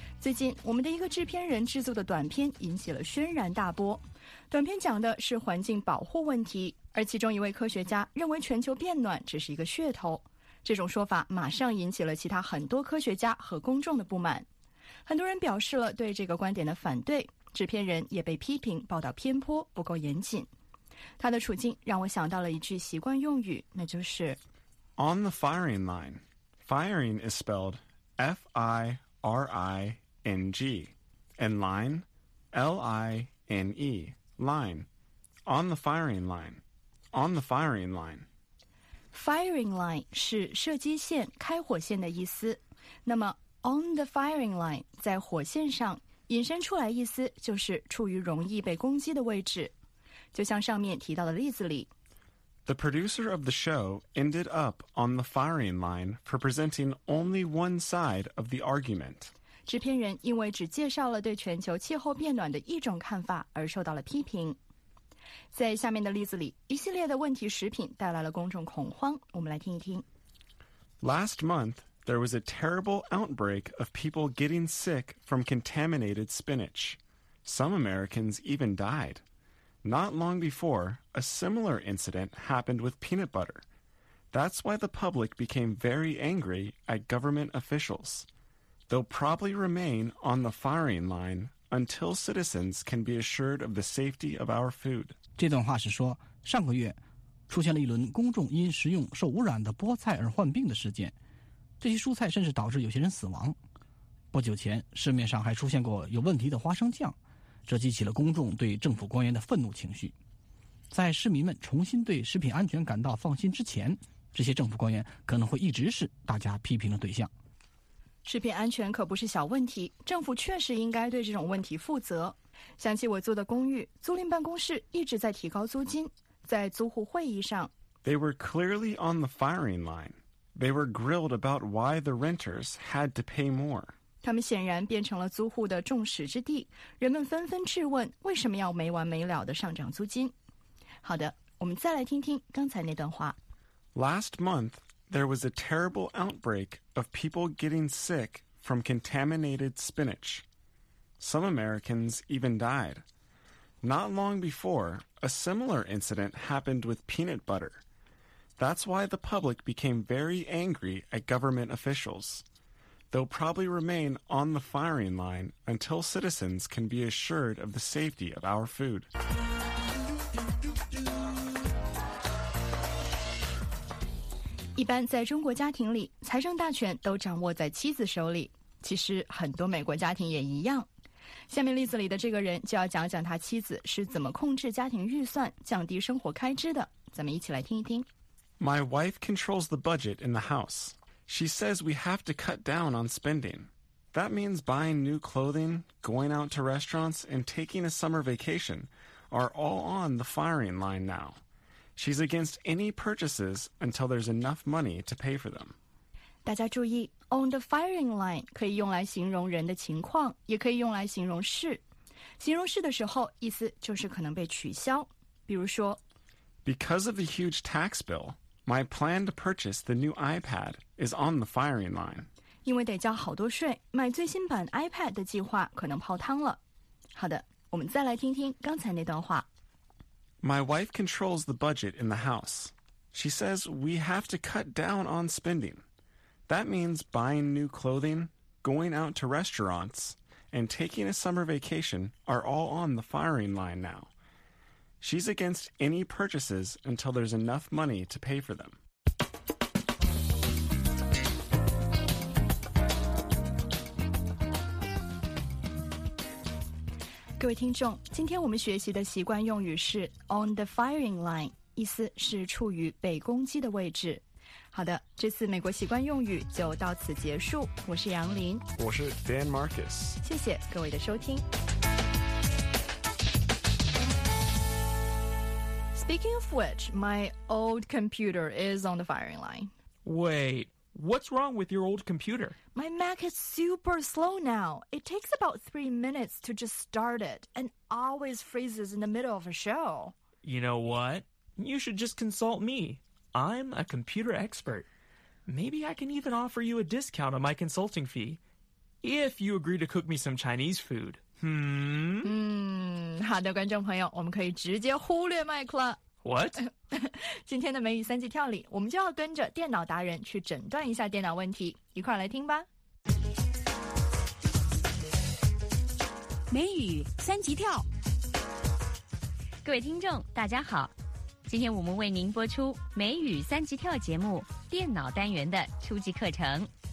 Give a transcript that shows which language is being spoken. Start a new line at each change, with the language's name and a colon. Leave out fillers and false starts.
Chinese: 最近我们的一个制片人制作的短片引起了轩然大波，短片讲的是环境保护问题，而其中一位科学家认为全球变暖只是一个噱头，这种说法马上引起了其他很多科学家和公众的不满，很多人表示了对这个观点的反对，制片人也被批评报道偏颇不够严谨。他的处境让我想到了一句习惯用语，那就是
English: On the firing line. Firing is spelled F-I-R-I-N-G. And line, L-I-N-E. Line. On the firing line. On the firing line. Firing line
Chinese: 是射击线、开火线的意思。那么
English: on the firing line
Chinese: 在火线上引申出来意思就是处于容易被攻击的位置。就像上面提到的例子里
English: The producer of the show ended up on the firing line for presenting only one side of the argument.
Chinese: 制片人因为只介绍了对全球气候变暖的一种看法而受到了批评。在下面的例子里，一系列的问题食品带来了公众恐慌，我们来听一听。
English: Last month, there was a terrible outbreak of people getting sick from contaminated spinach. Some Americans even died. Not long before, a similar incident happened with peanut butter. That's why the public became very angry at government officials. They'll probably remain on the firing line until citizens can be assured of the safety of our food.
Chinese: 这段话是说，上个月出现了一轮公众因食用受污染的菠菜而患病的事件。这些蔬菜甚至导致有些人死亡。不久前，市面上还出现过有问题的花生酱。这激起了公众对政府官员的愤怒情绪。在市民们重新对食品安全感到放心之前，这些政府官员可能会一直是大家批评的对象。食品安全可不是小问题，政府确实应该对这种问题负责。想起我租的公寓，租赁办公室一直在提高租金，在租户会议上。
English: They were clearly on the firing line. They were grilled about why the renters had to pay more.
Chinese: 他们显然变成了租户的众矢之的，人们纷纷质问为什么要没完没了地上涨租金。好的，我们再来听听刚才那段话。
English: Last month, there was a terrible outbreak of people getting sick from contaminated spinach. Some Americans even died. Not long before, a similar incident happened with peanut butter. That's why the public became very angry at government officials. They'll probably remain on the firing line until citizens can be assured of the safety of our food.
Chinese: 一般在中国家庭里，财政大权都掌握在妻子手里。其实很多美国家庭也一样。下面例子里的这个人就要讲讲他妻子是怎么控制家庭预算、降低生活开支的。咱们一起来听一听。
English: My wife controls the budget in the house. She says we have to cut down on spending. That means buying new clothing, going out to restaurants, and taking a summer vacation are all on the firing line now. She's against any purchases until there's enough money to pay for them.
Chinese: 大家注意 ,
English: on the firing line
Chinese: 可以用来形容人的情况，也可以用来形容事。形容事的时候，意思就是可能被取消。比如说
English: ,Because of the huge tax bill, my plan to purchase the new iPad is on the firing line.
Chinese: 因为得交好多税，买最新版 iPad 的计划可能泡汤了。好的，我们再来听听刚才那段话。
English: My wife controls the budget in the house. She says we have to cut down on spending. That means buying new clothing, going out to restaurants, and taking a summer vacation are all on the firing line now. She's against any purchases until there's enough money to pay for them.
Chinese: 各位听众，今天我们学习的习惯用语是
English: on the firing line，
Chinese: 意思是处于被攻击的位置。好的，这次美国习惯用语就到此结束。我是杨林，我是 Dan Marcus，谢谢各位的收听。
English: Speaking of which, my old computer is on the firing line. Wait. What's wrong with your old computer? My Mac is super slow now. It takes about 3 minutes to just start it and always freezes in the middle of a show. You know what? You should just consult me. I'm a computer expert. Maybe I can even offer you a discount on my consulting fee if you agree to cook me some Chinese food.
Chinese: 好的，观众朋友，我们可以直接忽略麦克了。
English: What?
Chinese: 今天的美语三级跳里，我们就要跟着电脑达人去诊断一下电脑问题，一块来听吧。美语三级跳，各位听众，大家好，今天我们为您播出美语三级跳节目电脑单元的初级课程。